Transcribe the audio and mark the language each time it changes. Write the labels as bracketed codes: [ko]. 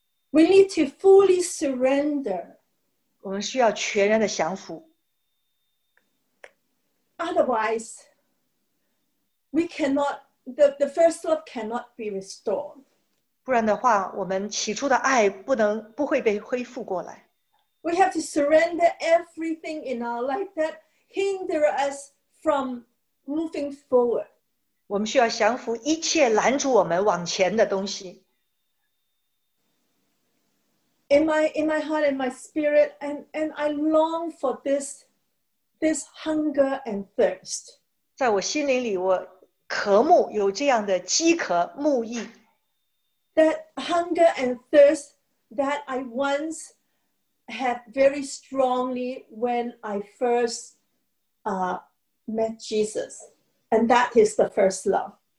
[en] We need to fully surrender. [zh] 我们需要全然的降服。 [en] Otherwise, we cannot. The first love cannot be restored. [zh] 不然的话，我们起初的爱不会被恢复过来。 [en] We have to surrender everything in our life that hinder us from moving forward. [zh] 我们需要降服一切拦住我们往前的东西。 [en] In my heart and my spirit, and I long for this hunger and thirst. [zh] 在我心灵里，我 渴慕有这样的饥渴慕义, [en] that hunger and thirst that I once had very strongly when I first met Jesus, and that is the first love.